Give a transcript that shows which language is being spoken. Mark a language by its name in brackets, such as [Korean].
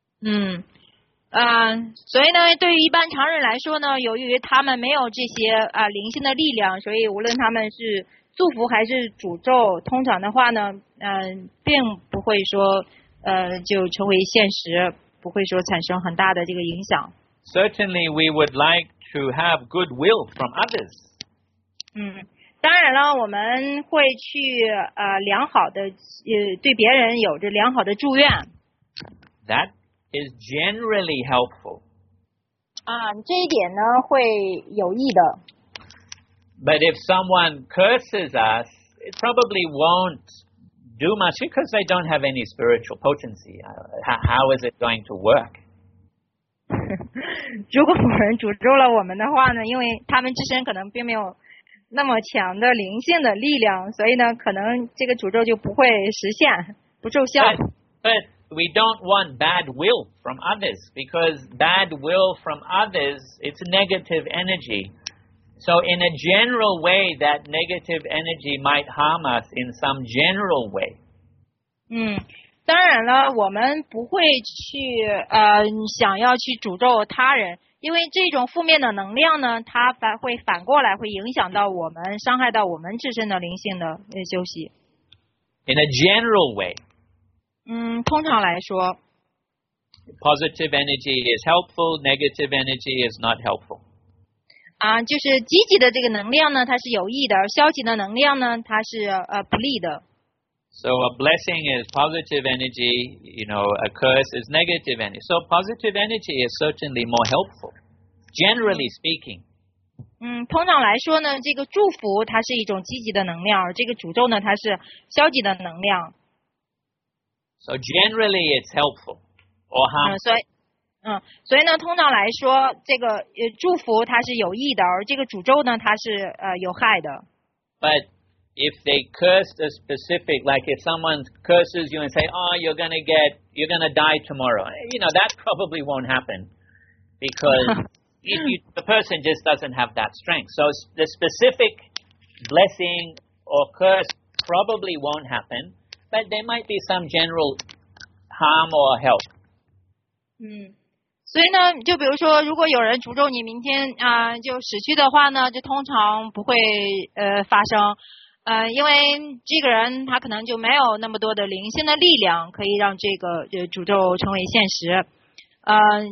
[Chinese] 所以呢，对于一般常人来说呢，由于他们没有这些灵性的力量，所以无论他们是祝福还是诅咒，通常的话呢，并不会说就成为现实，不会说产生很大的这个影响。 [English] Certainly, we would like to have goodwill from others. [Chinese] 当然了，我们会去良好的对别人有着良好的祝愿。 [English] That is generally helpful. [Chinese] 这一点呢会有益的。 [English] But if someone curses us, it probably won't do much because they don't have any spiritual potency. How is it going to work? [Chinese] 如果有人诅咒了我们的话呢，因为他们自身可能并没有。那么强的灵性的力量，所以呢，可能这个诅咒就不会实现，不奏效。 [English] But we don't want bad will from others, because bad will from others, it's negative energy. So in a general way, that negative energy might harm us in some general way. [Chinese] 当然了，我们不会去想要去诅咒他人。因为这种负面的能量呢，它会反过来会影响到我们，伤害到我们自身的灵性的休息。 [English] In a general way. [Chinese] 通常来说。 [English] Positive energy is helpful, negative energy is not helpful. [Chinese] 就是积极的这个能量呢，它是有益的，消极的能量呢，它是不利的。 [English] So a blessing is positive energy, you know, a curse is negative energy. So positive energy is certainly more helpful, generally speaking. [Chinese] 通常来说呢，这个祝福它是一种积极的能量，而这个诅咒呢，它是消极的能量。 [English] So generally it's helpful or harmful. [Chinese] 所以呢，通常来说，这个祝福它是有益的，而这个诅咒呢，它是有害的。 [English] But... If they cursed a specific, like if someone curses you and say, oh, you're going to die tomorrow, you know, that probably won't happen because the person just doesn't have that strength. So the specific blessing or curse probably won't happen, but there might be some general harm or help. [Chinese] 所以呢，就比如说，如果有人诅咒你明天就死去的话呢，就通常不会发生。因为这个人他可能就没有那么多的灵性的力量可以让这个诅咒成为现实。